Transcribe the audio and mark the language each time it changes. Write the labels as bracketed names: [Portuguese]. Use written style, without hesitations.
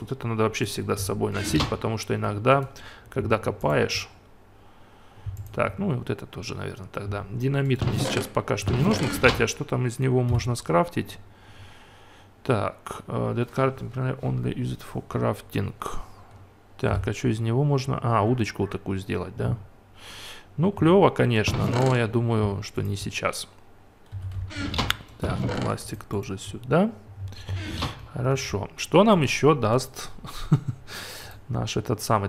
[Russian] Вот это надо вообще всегда с собой носить, потому что иногда, когда копаешь... Так, ну и вот это тоже, наверное, тогда. Динамит мне сейчас пока что не нужен. Кстати, а что там из него можно скрафтить? [English] Так, that card only used for crafting. [Russian] Так, а что из него можно... А, удочку вот такую сделать, да? Ну, клево, конечно, но я думаю, что не сейчас. Так, пластик тоже сюда. Хорошо. Что нам еще даст наш этот самый?